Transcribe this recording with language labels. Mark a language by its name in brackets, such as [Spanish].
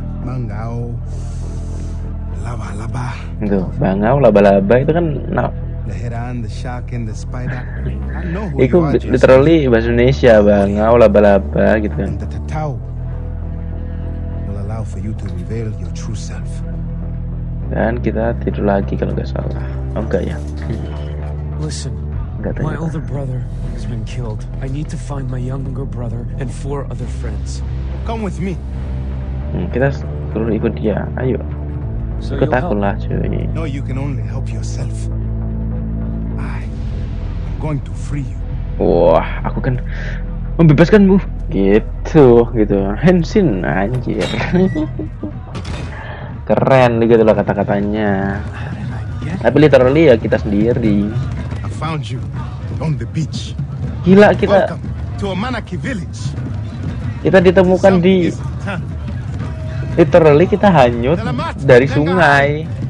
[Indonesian] Bangau. Laba-laba. Itu, bangau laba-laba itu kan nah. [English] The heron, the shark and the spider. [Indonesian] Itu literally bahasa Indonesia, bangau laba-laba gitu kan. [English] The tattoo will allow for you to reveal your true self. [Indonesian] Dan kita tidur lagi kalau enggak salah. Oh, enggak ya. [English] Listen. My older brother has been killed. I need to find my younger brother and four other friends. Come with me. [Indonesian] Kita turun ikut dia. Ayo. So ikut aku lah, cuy. [English] No, you can only help yourself. I am going to free you. [Indonesian] Wah, aku kan membebaskanmu. Gitu. Henshin anjir. Keren gitu loh kata-katanya. Tapi literally ya kita sendiri. [English] Found you on the beach. [Indonesian] Gila kita. [English] Welcome to a Manaki village. [Indonesian] Kita ditemukan di literally kita hanyut dari sungai.